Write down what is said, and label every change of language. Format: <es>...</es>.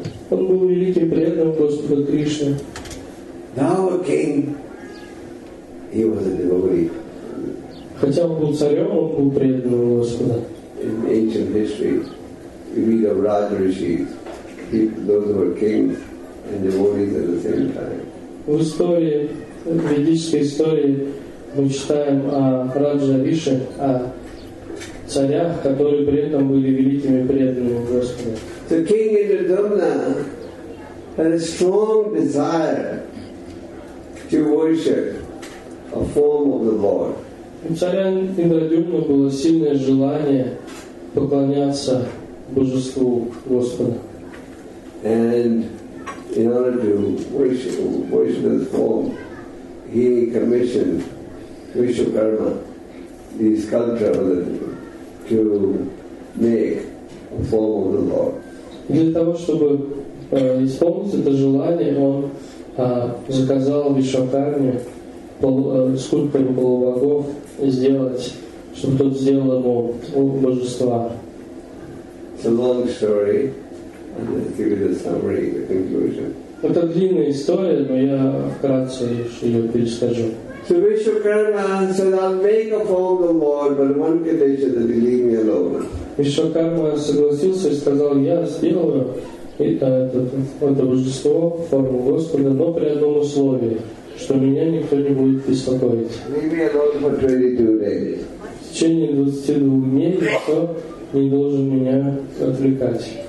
<ru>Он был великим преданным Господа Кришны.</ru> <en>Now a king, he was a devotee.</en> <ru>Хотя он был царем, он был преданным Господа.</ru> <en>In ancient history, we read of Raja Rishis, those who were kings and devotees at the same time.</en> <ru>В истории, в ведической истории, мы читаем о Раджа Риши, о царях, которые при этом были великими преданными Господу.</ru> <en>So King Indradyumna had a strong desire to worship a form of the Lord.</en> <ru>У царя Индрадюмна было сильное желание поклоняться божеству Господа.</ru> <en>And in order to worship this form, he commissioned Vishwakarma, the sculptor of the to make a form of the Lord.</en> <ru>Для того, чтобы исполнить это желание, он заказал Вишвакарме, скульптору полубогов, сделать, чтобы тот сделал ему божества.</ru> <en>It's a long story. I'll just give you the summary, the conclusion.</en> <ru>Это длинная история, но я вкратце ее перескажу.</ru> <en>So Vishwakarma said, I'll make a form of the Lord, but one condition, that he leave me alone.</en> <ru>Вишвакарма согласился и сказал, я сделаю это божество, форму Господа, но при одном условии, что меня никто не будет беспокоить. В течение 22 дней никто не должен меня отвлекать.</ru>